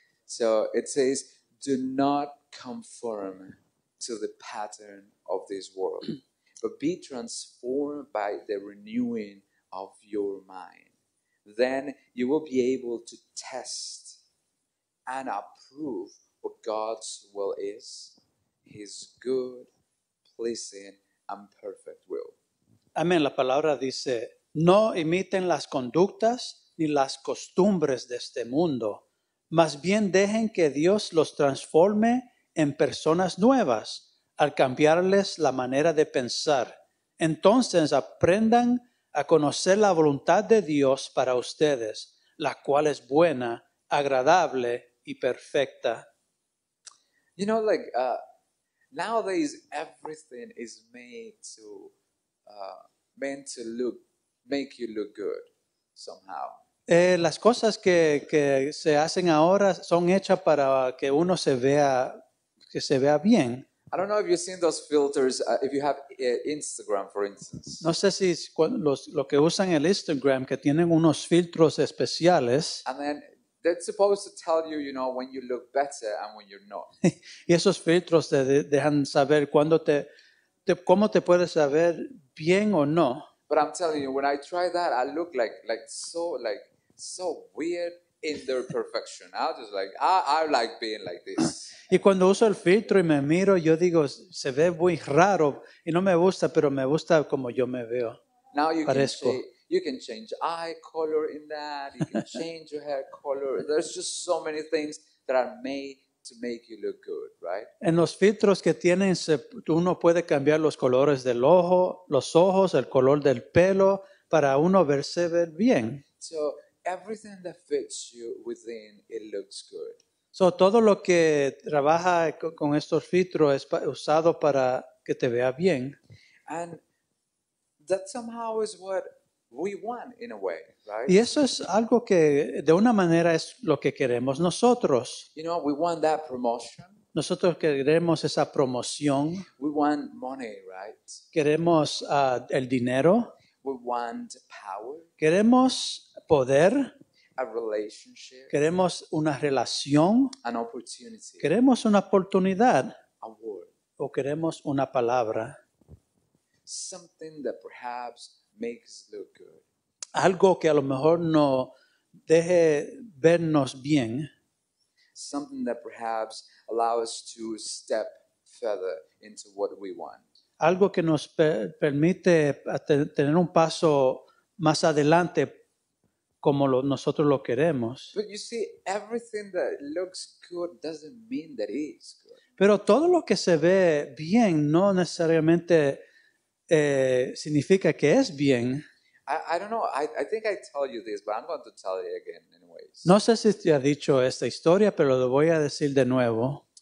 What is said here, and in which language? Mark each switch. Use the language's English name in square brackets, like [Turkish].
[English] So it says, do not conform to the pattern of this world, but be transformed by the renewing of your mind. Then you will be able to test and approve what God's will is, His good, pleasing, and perfect will. Amen. [Spanish] La palabra dice, no imiten las conductas ni las costumbres de este mundo. Más bien dejen que Dios los transforme en personas nuevas al cambiarles la manera de pensar. Entonces aprendan a conocer la voluntad de Dios para ustedes, la cual es buena, agradable y perfecta. [English] You know, like, nowadays everything is make you look good somehow. [Spanish] Las cosas que se hacen ahora son hechas para que uno se vea bien. [English] I don't know if you've seen those filters, if you have Instagram, for instance. [Spanish] No sé si es lo que usan el Instagram, que tienen unos filtros especiales. [English] And then they're supposed to tell you, you know, when you look better and when you're not. [Spanish] Y esos filtros te dejan saber cómo te puedes saber bien o no. [English] But I'm telling you, when I try that, I look like so, like, so weird in their perfection. I was just like, I like being like this. [Spanish] Y cuando uso el filtro y me miro, yo digo, se ve muy raro y no me gusta, pero me gusta como yo me veo. [English] Now you [Spanish] parezco. [English] You can change eye color in that. You can change your hair color. There's just so many things that are made to make you look good, right? [Spanish] En los filtros que tienen, uno puede cambiar los colores del ojo, los ojos, el color del pelo, para uno verse ver bien. [English] So everything that fits you within, it looks good. [Spanish] So todo lo que trabaja con estos filtros es usado para que te vea bien. [English] And that somehow is what we want in a way, right? [Spanish] Y eso es algo que de una manera es lo que queremos nosotros. [English] You know, we want that promotion. [Spanish] Nosotros queremos esa promoción. [English] We want money, right? [Spanish] Queremos el dinero. [English] We want power. [Spanish] Queremos poder. [English] A relationship. [Spanish] Queremos una relación. [English] An opportunity. [Spanish] Queremos una oportunidad. [English] A word. [Spanish] O queremos una palabra. [English] Something that perhaps makes look good. [Spanish] Algo que a lo mejor no deje vernos bien. [English] Something that perhaps allows us to step further into what we want. [Spanish] Algo que nos permite tener un paso más adelante como nosotros lo queremos. [English] But you see, everything that looks good doesn't mean that it is good. [Spanish] Pero todo lo que se ve bien no necesariamente significa que es bien. [English] I don't know. I think I told you this, but I'm going to tell it again anyways. [Spanish] No sé si te ha dicho esta historia, pero lo voy a decir de nuevo.